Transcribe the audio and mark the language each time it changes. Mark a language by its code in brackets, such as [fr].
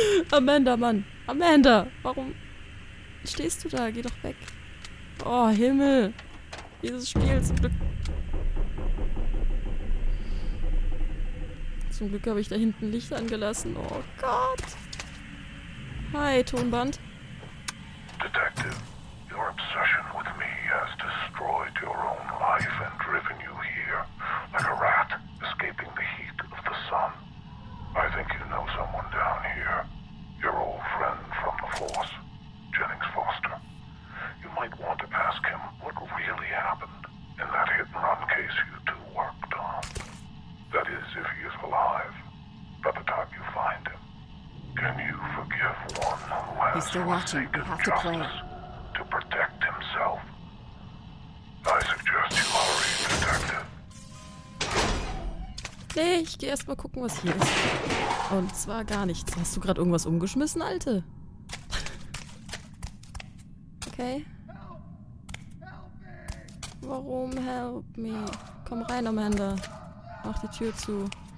[de] Amanda, Mann. Amanda, warum stehst du da? Geh doch weg. Oh, Himmel. Dieses Spiel zum Glück. Zum Glück habe ich da hinten Licht angelassen. Oh Gott. Hi, Tonband. [en] Detective, your obsession with me has destroyed your own life and driven you here like a rat escaping the heat of the sun. I think you know someone down here. Your old friend from the Force, Jennings Foster. You might want to ask him what really happened in that hit-and-run case you two worked on. That is, if he is alive by the time you find him. Can you forgive one who has He's still watching. Forsaken we have to justice play. To protect himself? I suggest you hurry, Detective. [de] Nee, ich geh erst mal gucken, was hier ist. Und zwar gar nichts. Hast du gerade irgendwas umgeschmissen, Alte? Okay. Warum? [en] Help me. [de] Komm rein, Amanda. Mach die Tür zu.